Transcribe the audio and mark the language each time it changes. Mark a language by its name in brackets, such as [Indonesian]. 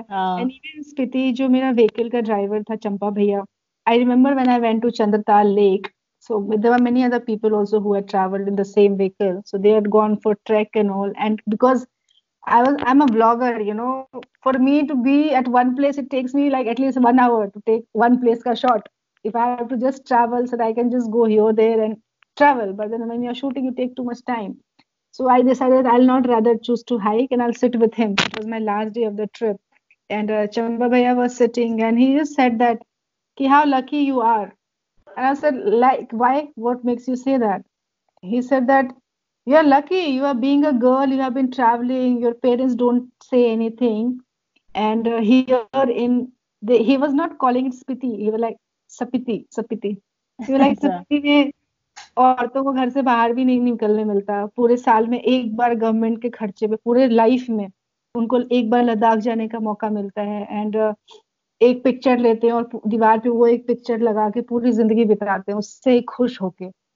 [English] and even Spiti, [Hindi] जो मेरा vehicle का ड्राइवर था, [English] चंपा भैया, I remember when I went to Chandratal lake, so there are many other people also who had travelled in the same vehicle, so they had gone for trek and all. And because I am a blogger, for me to be at one place, it takes me like at least 1 hour to take one place का shot. If I have to just travel so that I can just go here or there and travel, but then when you're shooting, you take too much time. So I decided I'll not rather choose to hike and I'll sit with him. It was my last day of the trip. And Chamba Bhaiya was sitting and he just said that, "Ki how lucky you are." And I said, "Like, why? What makes you say that?" He said that, "You're lucky. You are being a girl, you have been traveling, your parents don't say anything. And here in the," he was not calling it Spiti, he was like, Spiti Spiti, you like [Hindi] अच्छा सपिति में औरतों को घर से बाहर भी नहीं निकलने मिलता. पूरे साल में एक बार गवर्नमेंट के खर्चे पे, पूरे लाइफ में उनको एक बार लद्दाख जाने का मौका मिलता है. एंड एक पिक्चर लेते हैं और दीवार पे वो एक पिक्चर लगा के पूरी जिंदगी बिताते हैं उससे खुश होके.